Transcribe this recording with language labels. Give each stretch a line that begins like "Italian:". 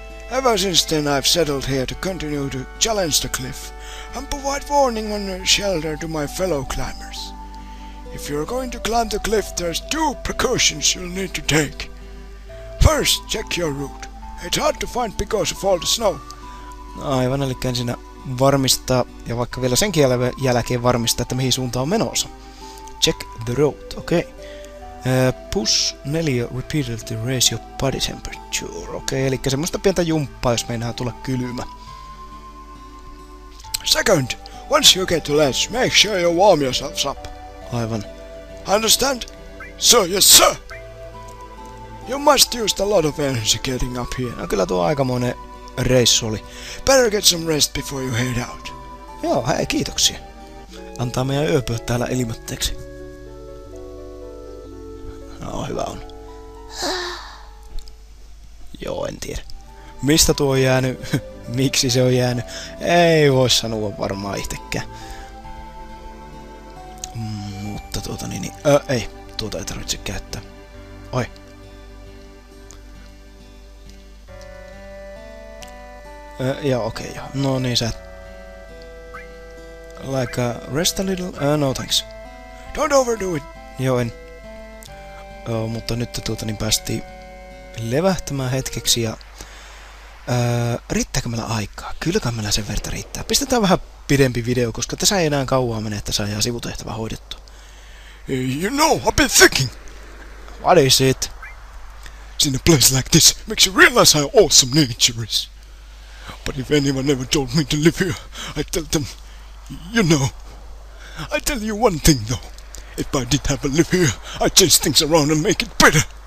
English: Ever since then I've settled here to continue to challenge the cliff and provide warning and shelter to my fellow climbers. If you're going to climb the cliff, there's two precautions you'll need to take. First, check your route. It's hard to find because of all the snow.
Finnish: Aivan, eli ensin varmistaa, ja vaikka vielä sen jälkeen varmistaa, että mihin suuntaan on menossa.
English: Check the road, okei. Okay. Push 4 repeatedly raise your body temperature.
Finnish: Okei, okay, eli semmoista pientä jumppaa, jos meinaa tulla kylmä.
English: Second, once you get to ledge, make sure you warm yourselves up.
Finnish: Aivan.
English: Understand? Sir, yes sir! You must use a lot of energy getting up here.
Finnish: No kyllä tuo aikamoinen reissu oli.
English: Better get some rest before you head out.
Finnish: Joo, hei, kiitoksia. Antaa meidän yöpyä täällä ilmoitteeksi. No, hyvä on. Joo, en tiedä. Mistä tuo on jäänyt? Miksi se on jäänyt? Ei voi sanoa varmaan itsekään. Mutta ei. tuota ei tarvitse käyttää. Oi. Joo, okei. No niin, sä...
English: Rest a little... No thanks. Don't overdo it!
Finnish: Joo, en. Mutta nyt tuota niin päästiin levähtämään hetkeksi ja... riittääkö meillä aikaa? Kyllä kai meillä sen verta riittää. Pistetään vähän pidempi video, koska tässä ei enää kauaa mene, että saa ihan sivutehtävä hoidettu.
English: You know, I've been thinking! What is it? In a place like this makes you realize how awesome nature is. But if anyone ever told me to live here, I'd tell them, you know. I tell you one thing though. If I did have a live here, I'd change things around and make it better.